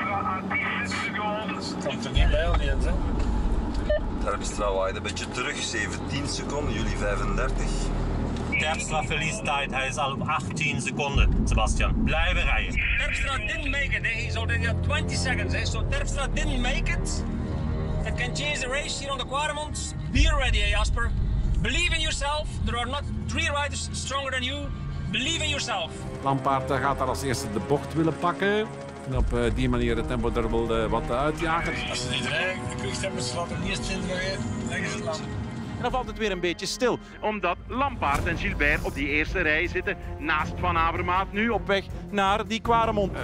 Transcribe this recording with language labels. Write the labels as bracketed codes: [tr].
[nl] Terpstra aan 10 seconden. Dat komt er niet bij, Aliens, hè? Terpstra waait een beetje terug. 17 seconden, jullie 35. Terpstra verliest tijd. Hij is al op 18 seconden. Sebastian, blijven rijden. [en] Terpstra didn't make it. He's already at 20 seconds. So Terpstra didn't make it. That can change the race here on the Quaremont. Be ready, Jasper. Believe in yourself. There are not three riders stronger than you. Believe in yourself. [nl] Lampaard gaat daar als eerste de bocht willen pakken. En op die manier het tempo er wel wat uitjagen. Als ze niet rijden, de eerste en dan valt het weer een beetje stil, omdat Lampaard en Gilbert op die eerste rij zitten naast Van Avermaat, nu op weg naar die Quaremont.